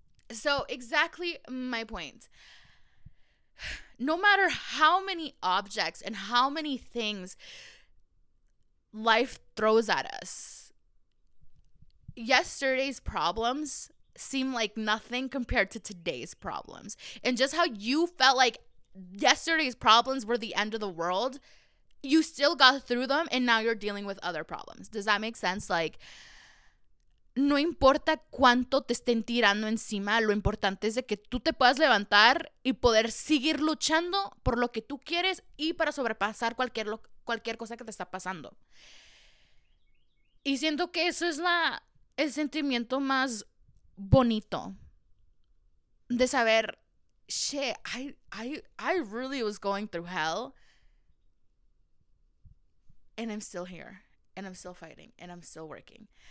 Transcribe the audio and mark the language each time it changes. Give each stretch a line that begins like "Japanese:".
English: So exactly my point. No matter how many objects and how many things life throws at us, yesterday's problems seem like nothing compared to today's problems. And just how you felt like yesterday's problems were the end of the world, you still got through them and now you're dealing with other problems. Does that make sense?
Spanish: Like, no importa cuánto te estén tirando encima, lo importante es de que tú te puedas levantar y poder seguir luchando por lo que tú quieres y para sobrepasar cualquier cosa que te está pasando. Y siento que eso es el sentimiento más bonito de saber,
English: shit, I really was going through hell and I'm still here and I'm still fighting and I'm still working.